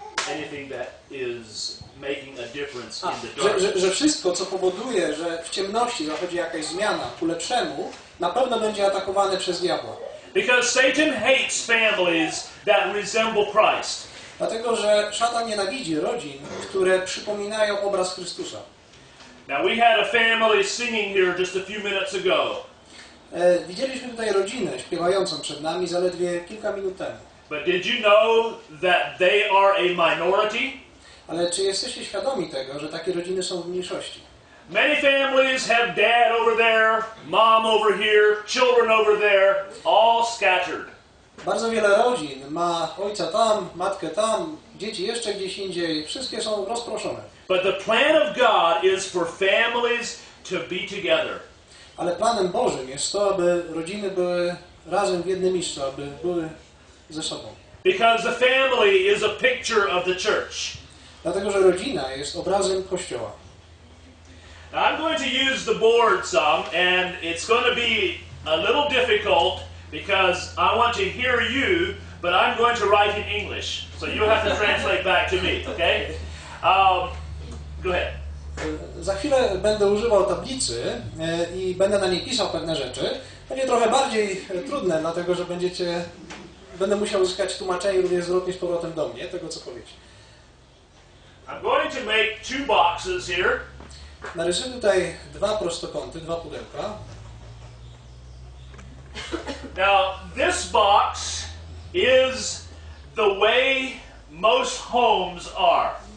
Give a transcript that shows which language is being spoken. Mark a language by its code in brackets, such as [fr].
[en] anything that is making a difference in the darkness. [pl] Że wszystko, co powoduje, że w ciemności zachodzi jakaś zmiana ku lepszemu, na pewno będzie atakowane przez diabła. [en] Because Satan hates families that resemble Christ. [pl] Dlatego, że szatan nienawidzi rodzin, które przypominają obraz Chrystusa. [en] Now we had a family singing here just a few minutes ago. [pl] Widzieliśmy tutaj rodzinę śpiewającą przed nami zaledwie kilka minut temu. [en] But did you know that they are a minority? [pl] Ale czy jesteście świadomi tego, że takie rodziny są w mniejszości? [en] Many families have dad over there, mom over here, children over there, all scattered. [pl] Bardzo wiele rodzin ma ojca tam, matkę tam, dzieci jeszcze gdzieś indziej. Wszystkie są rozproszone. [en] But the plan of God is for families to be together. [pl] Ale planem Bożym jest to, aby rodziny były razem w jednym miejscu, aby były ze sobą. [en] Because the family is a picture of the church. [pl] Dlatego, że rodzina jest obrazem Kościoła. [en] Now I'm going to use the board some and it's going to be a little difficult. Because I want to hear you, but I'm going to write in English. So you'll have to translate back to me, okay? Go ahead. [pl] Za chwilę będę używał tablicy i będę na niej pisał pewne rzeczy. Będzie trochę bardziej trudne, dlatego że będę musiał uzyskać tłumaczenie również zwrotnie z powrotem do mnie, tego co powiedzieć. [en] I'm going to make two boxes here. [pl] Narysuję tutaj dwa prostokąty, dwa pudełka. [en] Now, this box is the way most homes are.